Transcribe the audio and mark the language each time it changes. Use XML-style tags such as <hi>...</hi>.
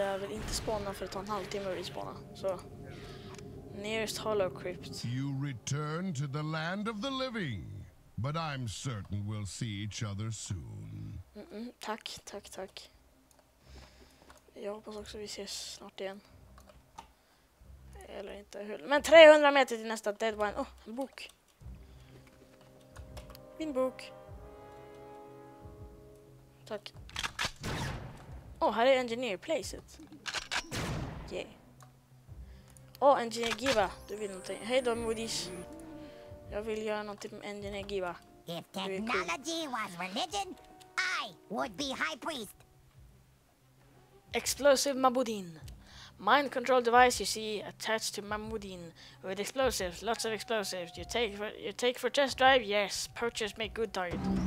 <sv>inte spåna för att ta en halvtimme att respawna.</sv> <en>Så. Nearest Hollow Crypt. You return to the land of the living. But I'm certain we'll see each other soon.</en> <sv>Tack. Jag hoppas också vi ses snart igen. Eller inte. Men 300 meter till nästa deadline. Åh, en bok. Min bok. Tack. Åh, här är Engineer Placet. Yay. Åh, Engineer Giva. Du vill någonting. Hej då, Moody's. Jag vill göra någonting med Engineer Giva.</sv> <en>If technology was religion, I would be high priest. Explosive Mabudin. Mind control device you see attached to Mamudin with explosives, lots of explosives. You take for test drive, yes. Purchase make good target.</en>